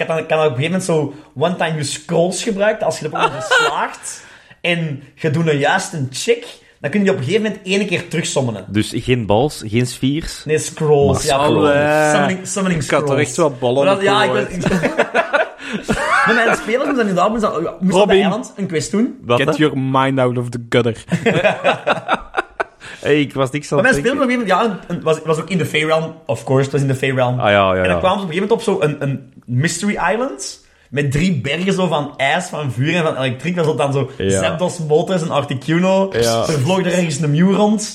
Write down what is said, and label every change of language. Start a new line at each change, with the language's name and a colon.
Dutch: Ik kan op een gegeven moment zo one-time scrolls gebruiken. Als je de Pokémon verslaagt en je doet een juiste check, dan kun je op een gegeven moment één keer terugsommenen. Dus geen balls, geen spheres. Nee, scrolls. Maar scrolls. Ja, summoning ik scrolls. Ik had er echt wel ballen op. Ja, ik was... Maar mijn spelers moesten inderdaad moest een quest doen.
English: Wat, get your mind out of the gutter.
Dutch: Hey, ik was niks aan het denken. Maar mijn speelde op een gegeven moment... Ja, was ook in de Fae Realm.
English: Of course,
Dutch: het was in de Fae Realm. Ah, ja. En dan kwamen ze op een gegeven moment op zo'n een Mystery Island. Met drie bergen zo van ijs, van vuur en van elektriek. Was dat dan zo Zapdos, Moltres en Articuno. Ja. Er vloog er ergens een Mew rond.